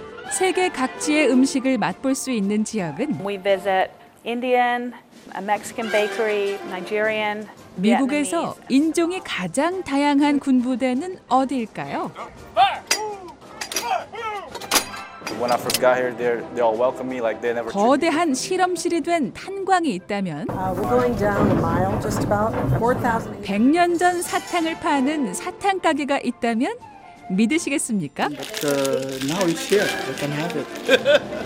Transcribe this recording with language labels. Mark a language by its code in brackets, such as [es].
[ko] 세계 각지의 음식을 맛볼 수 있는 지역은 [en] We visit Indian, a Mexican bakery, Nigerian, [ko] 미국에서 인종이 가장 다양한 군부대는 어디일까요? [en] When I first got here, they all welcomed me like they never. [ko] 거대한 실험실이 된 탄광이 있다면. [en] We're going down a mile, just about 4,000. [ko] 100년 전 사탕을 파는 사탕 가게가 있다면, 믿으시겠습니까? [en] Now it's here. You can have it.